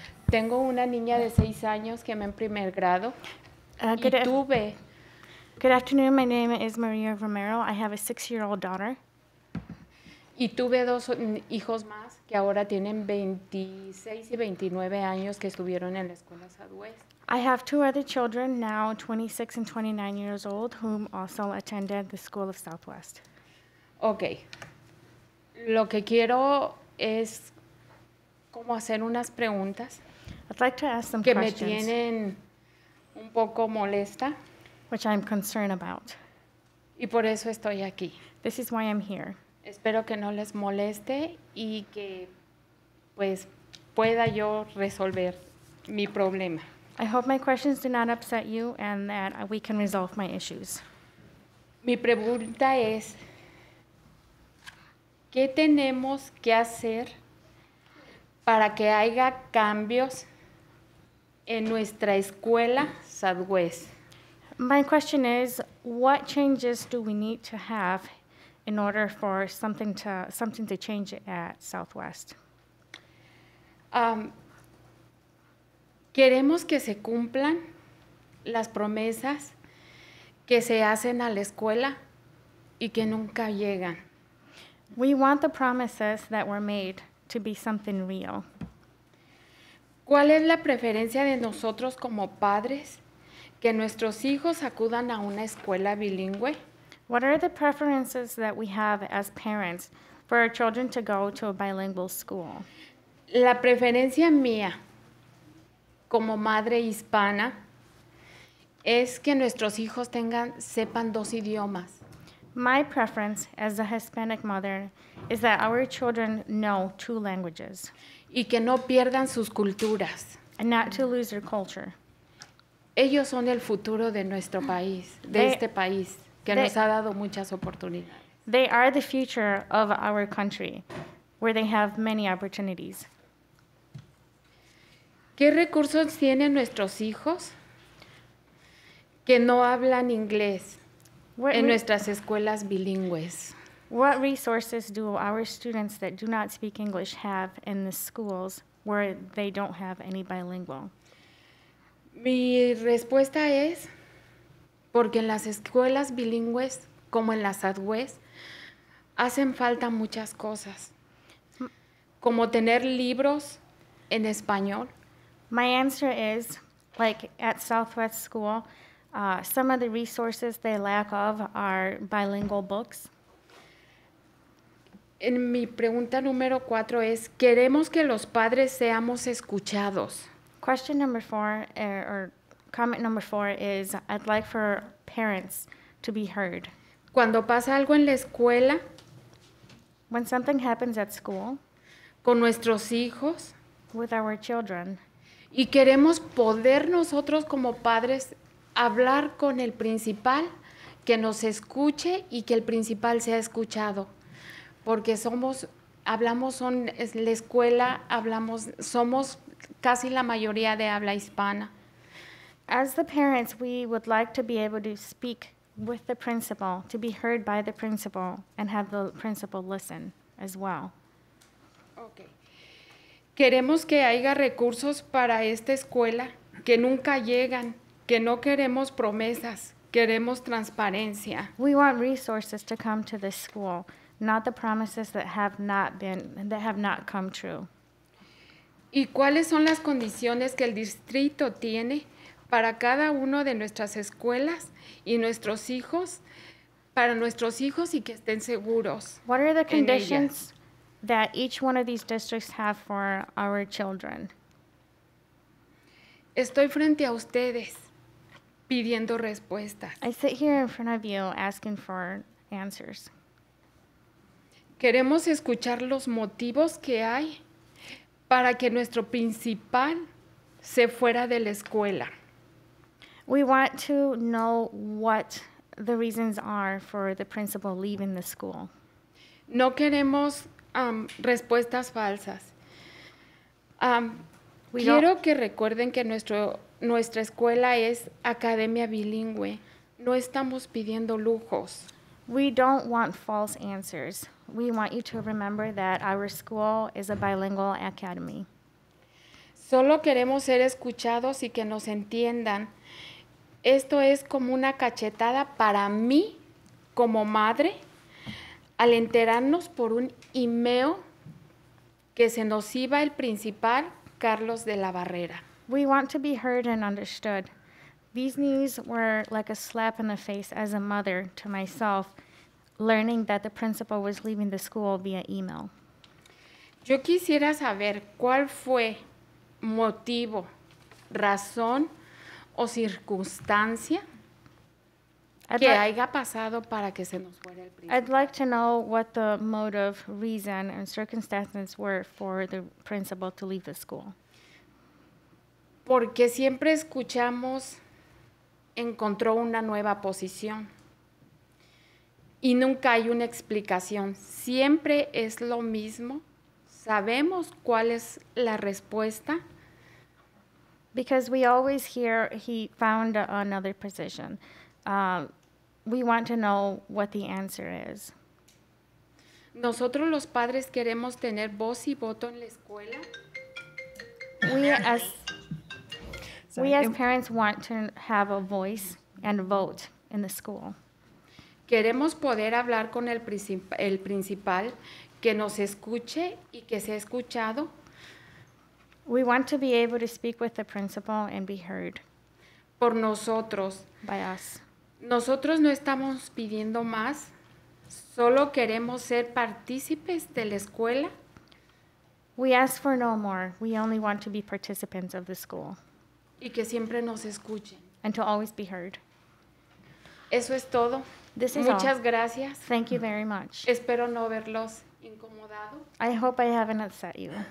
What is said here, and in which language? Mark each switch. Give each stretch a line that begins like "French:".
Spanish: Tengo una niña de 6 años que me en primer grado.
English: Good afternoon. My name is Maria Romero. I have a 6-year-old daughter.
Spanish: Y tuve dos hijos más que ahora tienen 26 y 29 años que estuvieron en la escuela Southwest.
English: I have 2 other children now, 26 and 29 years old, whom also attended the School of Southwest. Okay.
Spanish: Lo que quiero es como hacer unas preguntas.
English: I'd like to ask some
Spanish: que
English: questions.
Spanish: Que me tienen un poco molesta.
English: which I'm concerned about.
Spanish: Y por eso estoy aquí.
English: This is why I'm here.
Spanish: Espero que no les moleste y que pues pueda yo resolver mi problema.
English: I hope my questions do not upset you and that we can resolve my issues.
Spanish: Mi pregunta es, ¿qué tenemos que hacer para que haya cambios en nuestra escuela Southwest?
English: My question is, what changes do we need to have in order for something to change at Southwest?
Spanish: Queremos que se cumplan las promesas que se hacen a la escuela y que nunca llegan.
English: We want the promises that were made to be something real.
Spanish: ¿Cuál es la preferencia de nosotros como padres que nuestros hijos acudan a una escuela bilingüe?
English: What are the preferences that we have as parents for our children to go to a bilingual school?
Spanish: La preferencia mía como madre hispana es que nuestros hijos sepan dos idiomas.
English: My preference as a Hispanic mother is that our children know two languages.
Spanish: Y que no pierdan sus culturas.
English: And not to lose their culture.
Spanish: Ellos son el futuro de nuestro país, este país, que nos ha dado muchas oportunidades.
English: They are the future of our country, where they have many opportunities.
Spanish: ¿Qué recursos tienen nuestros hijos que no hablan inglés en nuestras escuelas bilingües?
English: What resources do our students that do not speak English have in the schools where they don't have any bilingual?
Spanish: Mi respuesta es porque en las escuelas bilingües, como en la Southwest, hacen falta muchas cosas, como tener libros en español.
English: My answer is, like at Southwest School, some of the resources they lack of are bilingual books.
Spanish: En mi pregunta número cuatro es, queremos que los padres seamos escuchados.
English: Question number four, comment number four is, I'd like for parents to be heard.
Spanish: Cuando pasa algo en la escuela,
English: when something happens at school,
Spanish: con nuestros hijos,
English: with our children,
Spanish: y queremos poder nosotros como padres hablar con el principal, que nos escuche y que el principal sea escuchado. Porque somos casi la mayoría de habla hispana.
English: As the parents, we would like to be able to speak with the principal, to be heard by the principal, and have the principal listen as well. Okay.
Spanish: Queremos que haya recursos para esta escuela que nunca llegan, que no queremos promesas, queremos transparencia.
English: We want resources to come to this school, not the promises that have not come true.
Spanish: ¿Y cuáles son las condiciones que el distrito tiene para cada uno de nuestras escuelas y nuestros hijos, para nuestros hijos y que estén seguros?
English: What are the conditions that each one of these districts have for our children?
Spanish: Estoy frente a ustedes pidiendo respuestas.
English: I sit here in front of you asking for answers.
Spanish: Queremos escuchar los motivos que hay para que nuestro principal se fuera de la escuela.
English: We want to know what the reasons are for the principal leaving the school.
Spanish: No queremos respuestas falsas. Quiero que recuerden que nuestra escuela es academia bilingüe. No estamos pidiendo lujos.
English: We don't want false answers. We want you to remember that our school is a bilingual academy.
Spanish: Solo queremos ser escuchados y que nos entiendan. Esto es como una cachetada para mí como madre al enterarnos por un email que se nos iba el principal Carlos de la Barrera.
English: We want to be heard and understood. These news were like a slap in the face as a mother to myself, learning that the principal was leaving the school via email.
Spanish: Yo quisiera saber cuál fue motivo, razón o circunstancia
English: I'd like to know what the motive, reason, and circumstances were for the principal to leave the school.
Spanish: Porque siempre escuchamos, encontró una nueva posición. Y nunca hay una explicación. Siempre es lo mismo. Sabemos cuál es la respuesta.
English: Because we always hear he found another position. We want to know what the answer is.
Spanish: Nosotros los padres queremos tener voz y voto en la escuela.
English: We as parents want to have a voice and vote in the school.
Spanish: Queremos poder hablar con el principal, que nos escuche y que sea escuchado.
English: We want to be able to speak with the principal and be heard.
Spanish: Por nosotros.
English: By us.
Spanish: Nosotros no estamos pidiendo más, solo queremos ser partícipes de la escuela.
English: We ask for no more. We only want to be participants of the school.
Spanish: Y que siempre nos escuchen.
English: And to always be heard.
Spanish: Eso es todo.
English: This is
Spanish: Muchas
English: all.
Spanish: Gracias.
English: Thank you very much.
Spanish: Espero no haberlos incomodado.
English: I hope I haven't upset you.